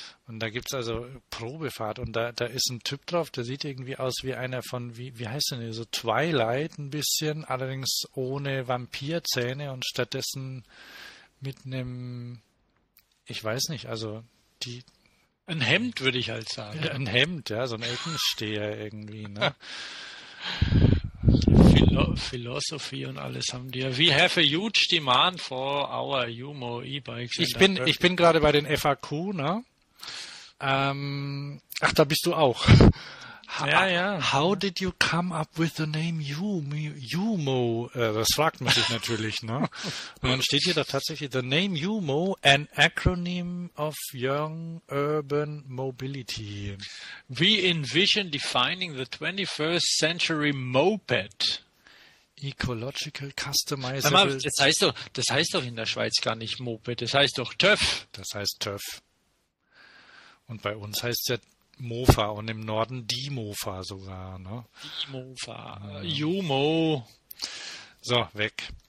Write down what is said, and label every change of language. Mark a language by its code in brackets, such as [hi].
[de] Und da gibt's also Probefahrt und da ist ein Typ drauf, der sieht irgendwie aus wie einer von, wie heißt denn der, so Twilight ein bisschen, allerdings ohne Vampirzähne und stattdessen mit einem, ich weiß nicht, also die... Ein Hemd, würde ich halt sagen. Ein Hemd, ja, so ein Eckensteher irgendwie, ne? Philosophy und alles haben die ja. [en] We have a huge demand for our Yumo e-bikes. [de] Ich bin gerade bei den FAQ, ne? Ach, da bist du auch. Ja. [en] How did you come up with the name Yumo? [de] Das fragt man sich natürlich, ne? Und dann steht hier da tatsächlich, [en] the name Yumo, an acronym of Young Urban Mobility. We envision defining the 21st century moped. Ecological customizable. [de] Das heißt doch in der Schweiz gar nicht Moped, das heißt doch TÜV. Das heißt TÜV. Und bei uns heißt es ja Mofa und im Norden die Mofa sogar. Ne? Die Mofa. Yumo. So, weg.